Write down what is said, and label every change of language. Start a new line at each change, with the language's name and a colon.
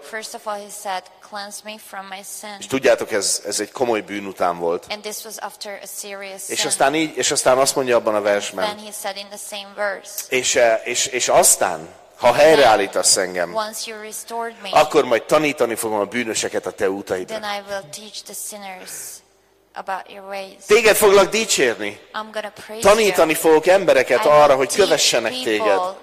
English: First of all he said, cleanse me from my sin.
Hungarian: És tudjátok, ez egy komoly bűn után volt.
English: And this was after a serious sin.
Hungarian: És aztán azt mondja abban a versben.
English: Then he said in the same verse,
Hungarian: és aztán, ha helyreállítasz engem,
English: once you restored me,
Hungarian: akkor majd tanítani fogom a bűnöseket a te utaidra.
English: Then I will teach the sinners about your ways.
Hungarian: Téged foglak dicsérni.
English: I'm gonna praise
Hungarian: tanítani
English: you.
Hungarian: Fogok embereket arra, hogy kövessenek téged.